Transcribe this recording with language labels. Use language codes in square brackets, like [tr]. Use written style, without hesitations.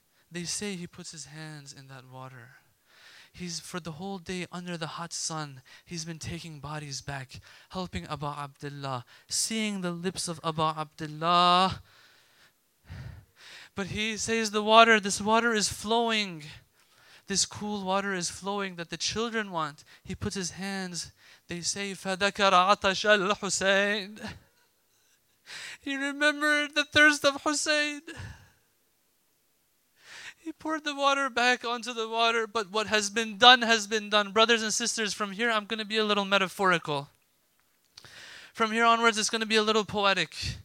[en] They say he puts his hands in that water. He's for the whole day under the hot sun. He's been taking bodies back, helping Abu Abdullah, seeing the lips of Abu Abdullah. But he says this water is flowing. This cool water is flowing that the children want. He puts his hands. They say, [ar] فَذَكَرَ عَطَشَ الْحُسَيْنِ. [en] He remembered the thirst of Hussein. He poured the water back onto the water, but what has been done. Brothers and sisters, from here I'm going to be a little metaphorical. From here onwards it's going to be a little poetic.